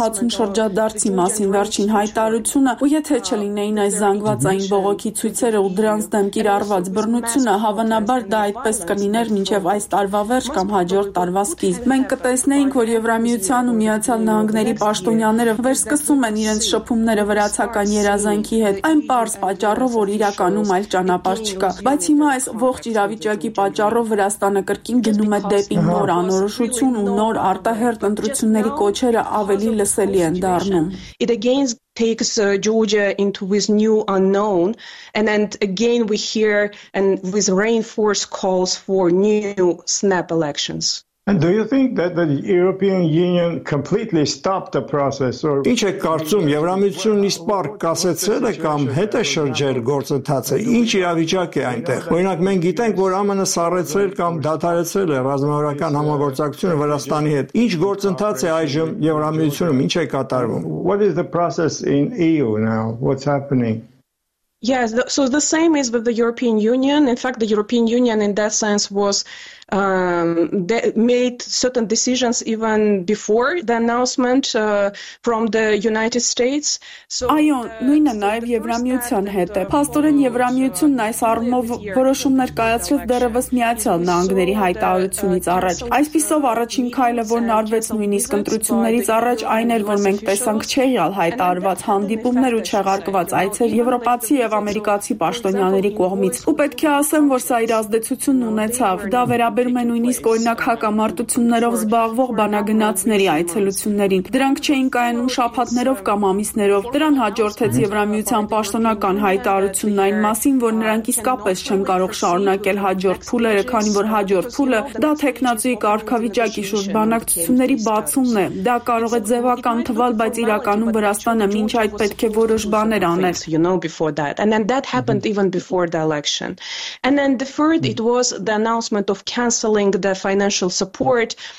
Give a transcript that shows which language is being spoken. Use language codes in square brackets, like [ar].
[hy] ամփոփացում շրջադարձի մասին վերջին հայտարությունը, ու եթե չլինեին այս զանգվածային բողոքի ցույցերը ու դրանց դեմ կիրառված բռնությունը, հավանաբար դա այդպես կլիներ մինչև այս տարվա վերջ կամ հաջորդ տարվա սկիզբ։ Մենք կտեսնեինք, որ Եվրամիության ու Միացյալ Նահանգների պաշտոնյաները վերսկսում են իրենց շփումները վրացական երազանքի հետ, այն պարզ պատճառով, որ իրականում այլ ճանապարհ չկա։ Բայց հիմա այս ողջ իրավիճակի պատճառով Վրաստանը կրկին գնում է դեպի նոր անորոշություն ու նոր արտահերտ ընտրությունների կոչերը ավելի լսելի են դառնում։ [en] Takes Georgia into this new unknown, and then again we hear and with reinforced calls for new snap elections. And do you think that the European Union completely stopped the process? Or [hy] ինչ եք կարծում, Եվրամիությունն իսպարկ կասեցել է կամ հետ է շրջել գործընթացը, ինչ իրավիճակ է այնտեղ? Օրինակ, մենք գիտենք, որ ԱՄՆ-ը սառեցրել կամ դադարեցրել է ռազմավարական համագործակցությունը Վրաստանի հետ, ինչ գործընթաց է այժմ Եվրամիությունում, ինչ է կատարվում? [en] What is the process in EU now? What's happening? Yes, so the same is with the European Union. In fact, the European Union in that sense was made certain decisions even before the announcement from the United States. [hy] So այո, նույնը նաև Եվրամիության հետ է։ Փաստորեն Եվրամիությունն այս առումով որոշումներ կայացրել դեռևս Միացյալ Նահանգների հայտարարությունից առաջ։ Այսպիսով առաջին քայլը, որ նարվեց նույնիսկ ընտրություններից առաջ, այն էր, որ մենք տեսանք չեղյալ հայտարարված հանդիպումներ ու չեղարկված այցեր եվրոպացի եւ ամերիկացի պաշտոնյաների կողմից։ Ու պետք է ասեմ, որ սա իր ազդեցությունն ունեցավ։ Դա վերաբերում է նույնիսկ օրինակ հակամարտություններով զբաղվող բանագնացների այցելություններին։ Դրանք չէին կայանում շաբաթներով կամ ամիսներով։ Դրան հաջորդեց Եվրամիության պաշտոնական հայտարարությունն այն մասին, որ նրանք իսկապես չեն կարող շարունակել հաջորդ փուլերը, քանի որ հաջորդ փուլը դա տեխնատիկ կարգավիճակի շուրջ բանակցությունների բացումն է։ Դա կարող է ձևական թվալ, բայց իրականում Վրաստանը մինչ այդ պետք է որոշ բաներ անել։ [en] That and then that happened even before the election, and then the third it was the announcement of cancelling the financial support.